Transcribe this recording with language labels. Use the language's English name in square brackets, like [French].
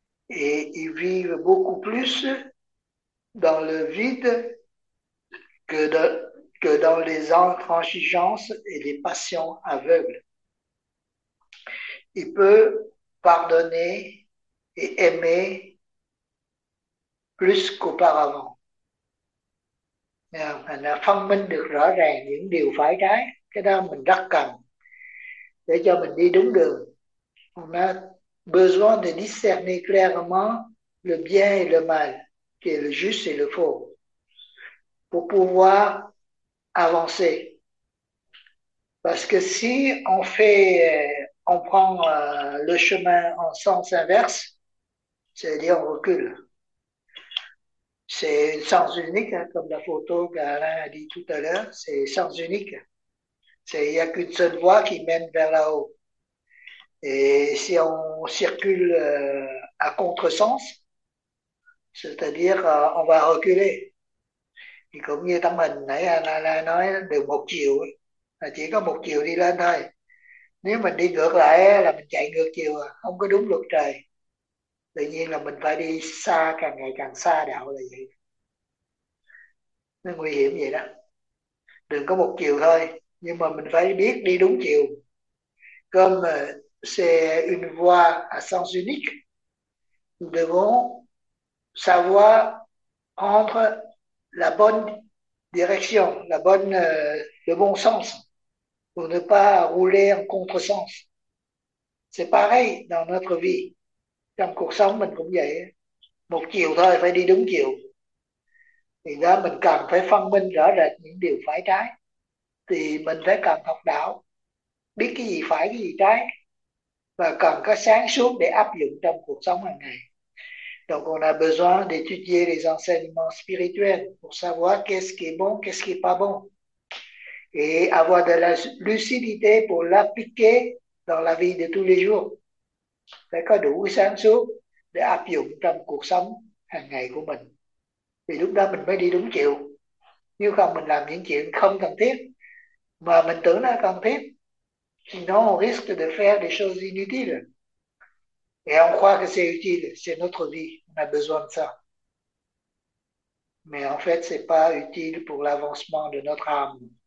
[French] Et ils vivent beaucoup plus dans le vide que dans les intransigeances et les passions aveugles. Il peut pardonner et aimer plus qu'auparavant. [Vietnamese] Là, phân minh được rõ ràng những điều phải trái, cái đó mình rất cần để cho mình đi đúng đường. [French] On a besoin de discerner clairement le bien et le mal, qui est le juste et le faux, pour pouvoir avancer. Parce que si on prend le chemin en sens inverse, c'est-à-dire on recule. C'est un sens unique, hein, comme la photo qu'Alain a dit tout à l'heure, c'est sens unique. Il n'y a qu'une seule voie qui mène vers là-haut. Et si on circule à contresens, c'est-à-dire on va reculer. [Vietnamese] Thì cũng như tâm hình nãy Alain nói, được một chiều, chỉ có một chiều đi lên thôi. Nếu mình đi ngược lại là mình chạy ngược chiều, không có đúng luật trời. Tự nhiên là mình phải đi xa, càng ngày càng xa đạo là vậy. Nó nguy hiểm vậy đó. Đừng có một chiều thôi, nhưng mà mình phải biết đi đúng chiều. [French] Comme c'est une voie à sens unique, nous devons savoir prendre la bonne direction, la bonne, le bon sens, pour ne pas rouler en contresens. C'est pareil dans notre vie. [Vietnamese] Trong cuộc sống mình cũng vậy, một chiều thôi, phải đi đúng chiều. Thì đó mình cần phải phân minh rõ rệt những điều phải trái, thì mình phải cần học đạo, biết cái gì phải cái gì trái, và cần có sáng suốt để áp dụng trong cuộc sống hàng ngày. [French] Donc on a besoin d'étudier les enseignements spirituels pour savoir qu'est-ce qui est bon, qu'est-ce qui est pas bon, et avoir de la lucidité pour l'appliquer dans la vie de tous les jours. [Vietnamese] Phải có đủ sáng suốt để áp dụng trong cuộc sống hàng ngày của mình, thì lúc đó mình mới đi đúng chiều. Nếu không mình làm những chuyện không cần thiết mà mình tưởng là cần thiết, [French] sinon on risque de faire des choses inutiles et on croit que c'est utile, c'est notre vie, on a besoin de ça, mais en fait c'est pas utile pour l'avancement de notre âme.